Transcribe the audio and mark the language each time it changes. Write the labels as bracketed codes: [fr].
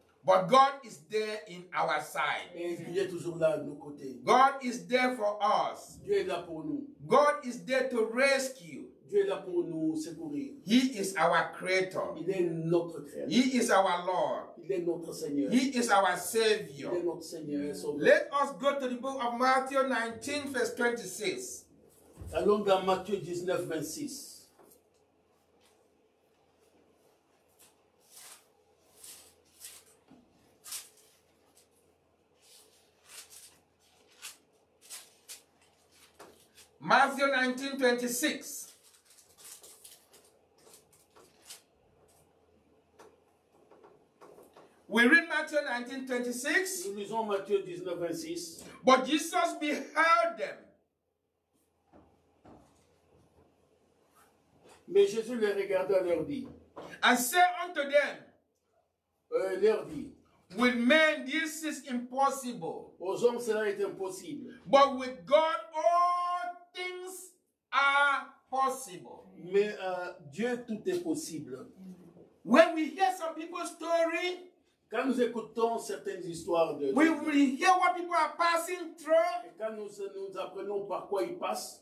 [en] But God is there in our side. [fr] Et Dieu est toujours là à nos côtés. [en] God is there for us. [fr] Dieu est là pour nous. [en] God is there to rescue. [fr] Dieu est là pour nous secourir. [en] He is our creator. [fr] Il est notre créateur. [en] He is our Lord. [fr] Il est notre Seigneur. [en] He is our Savior. [fr] Il est notre Seigneur et Sauveur. [en] Let us go to the book of Matthew 19, verse 26. [fr] Allons dans Matthieu 19, 26. Matthieu 19, 26. [en] We read Matthieu 19, 26. [fr] Nous lisons Matthieu 19, 26. [en] But Jesus beheld them. [fr] Mais Jésus les regarda et leur dit. [en] And said unto them. [fr] Leur dit. [en] With men this is impossible. [fr] Aux hommes cela est impossible. [en] But with God all things are possible. [fr] Mais Dieu tout est possible. [en] When we hear some people's story. [fr] Quand nous écoutons certaines histoires de. [en] We will hear what people are passing through. [fr] Et quand nous apprenons par quoi ils passent.